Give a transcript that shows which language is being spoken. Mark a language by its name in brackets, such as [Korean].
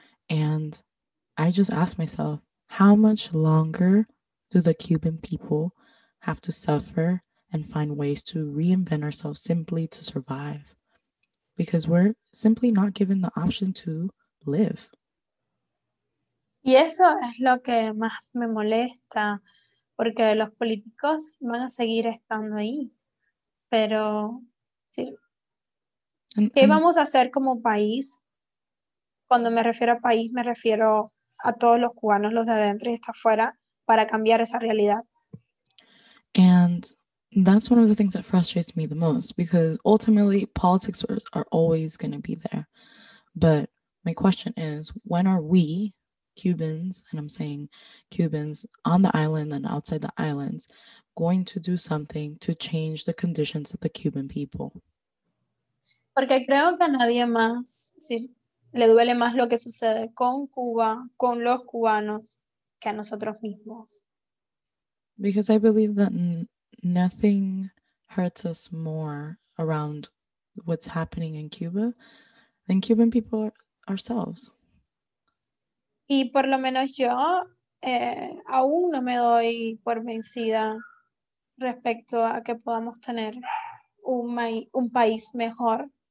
[English] And I just ask myself, how much longer do the Cuban people have to suffer and find ways to reinvent ourselves simply to survive? because we're simply not given the option to live. [Spanish] Y eso es lo que más me molesta, porque los políticos van a seguir estando ahí, pero sí. ¿Qué vamos a hacer como país? Cuando me refiero a país, me refiero a todos los cubanos, los de adentro y hasta afuera, para cambiar esa realidad. [English] And that's one of the things that frustrates me the most, because ultimately politics are always going to be there. But my question is, when are we Cubans, and I'm saying Cubans on the island and outside the islands, going to do something to change the conditions of the Cuban people? [Spanish] Porque creo que a nadie más, sí, le duele más lo que sucede con Cuba, con los cubanos, que a nosotros mismos. [English] Because I believe that nothing hurts us more around what's happening in Cuba than Cuban people ourselves. [Spanish] Y por lo menos yo aún no me doy por vencida respecto a que podamos tener un país mejor.